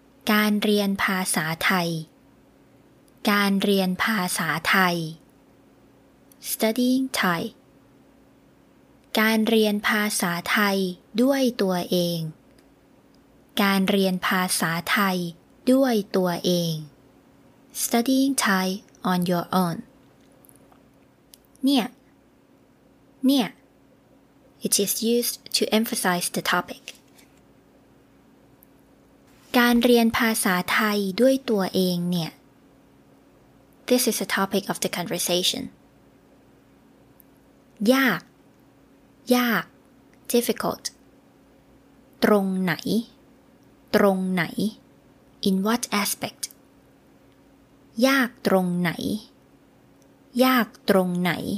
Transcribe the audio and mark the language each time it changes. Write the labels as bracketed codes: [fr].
[th] การเรียนภาษาไทยการเรียนภาษาไทย [en] studying Thai [th] การเรียนภาษาไทยด้วยตัวเองการเรียนภาษาไทยด้วยตัวเอง [en] studying ThaiOn your own. [th] เนี่ย [en] It is used to emphasize the topic. [th] การเรียนภาษาไทยด้วยตัวเองเนี่ย [en] This is a topic of the conversation. [th] ยาก [en] Difficult. [th] ตรงไหน [en] In what aspect? [th] ยากตรงไหน